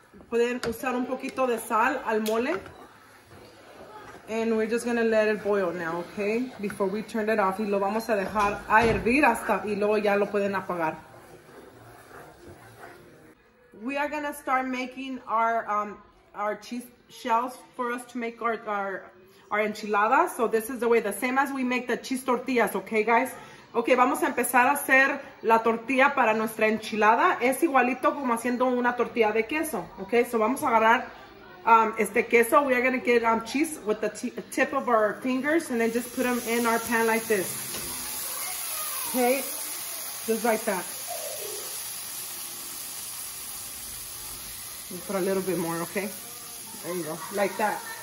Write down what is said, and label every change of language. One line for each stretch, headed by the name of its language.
Spanish: Pueden usar un poquito de sal al mole.
English: And we're just gonna let it boil now, okay? Before we turn it off.
Spanish: Y lo vamos a dejar a hervir hasta y luego ya lo pueden apagar.
English: We are gonna start making our cheese shells for us to make our enchiladas. So this is the way, the same as we make the cheese tortillas, okay guys?
Spanish: Okay, vamos a empezar a hacer la tortilla para nuestra enchilada. Es igualito como haciendo una tortilla de queso. Okay, so vamos a agarrar este queso.
English: We are gonna get cheese with the tip of our fingers and then just put them in our pan like this. Okay, just like that. Just put a little bit more, okay? There you go, like that.